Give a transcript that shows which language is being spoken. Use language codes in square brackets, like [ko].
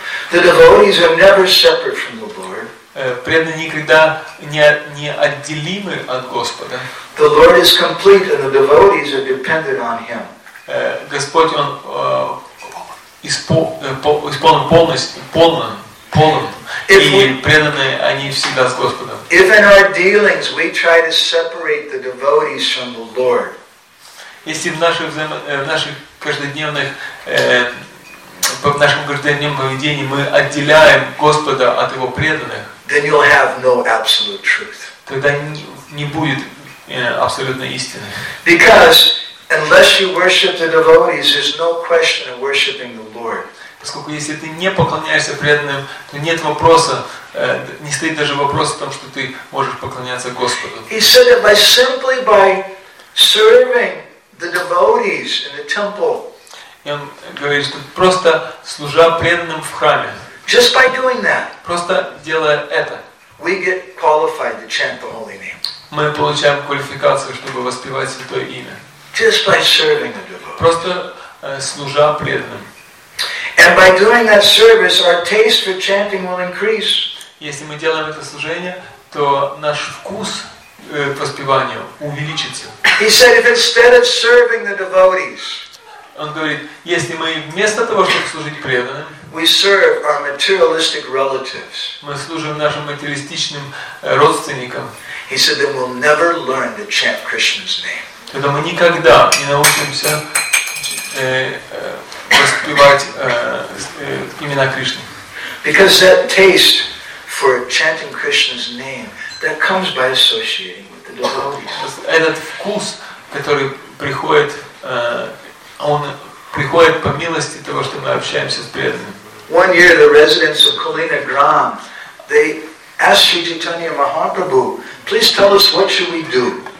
[en] The devotees are never separate from the Lord. [ru] Преданные никогда не отделимы от Господа. [en] The Lord is complete and the devotees are dependent on Him. [ru] Господь, Он исполнен полностью, полон. И преданные, они всегда с Господом. [en] If in our dealings we try to separate the devotees from the Lord. [ru] Если в нашем каждодневном поведении мы отделяем Господа от Его преданных, [en] then you'll have no absolute truth. [ru] Тогда не будет абсолютной истины. [en] Because unless you worship the devotees, there's no question of worshiping the Lord. [ru] Поскольку если ты не поклоняешься преданным, то нет вопроса, не стоит даже вопрос о том, что ты можешь поклоняться Господу. [en] He said that by simply by serving the devotees in the temple. [ru] И он говорит, что просто служа преданным в храме. [en] Just by doing that, [ru] просто делая это, [en] we get qualified to chant the holy name. [ru] мы получаем квалификацию, чтобы воспевать Святое Имя. [en] Just by serving the devotee. [ru] Просто служа преданным. [en] And by doing that service, our taste for chanting will increase. [ru] Если мы делаем это служение, то наш вкус поспевания увеличится. [en] He said, if instead of serving the devotees, [ru] он говорит, если мы вместо того, чтобы служить преданным, [en] we serve our materialistic relatives, [ru] мы служим нашим материалистичным родственникам, [en] he said, then we'll never learn to chant Krishna's name. [ru] Тогда мы никогда не научимся воспевать имена Кришны. [en] Because that taste for chanting Krishna's name, that comes by associating with the devotees. [ru] Этот вкус, который приходит, он приходит по милости того, что мы общаемся с преданными. [en] One year the residents of Kalina Gram, they asked Sri Chaitanya Mahaprabhu, please tell us what should we do.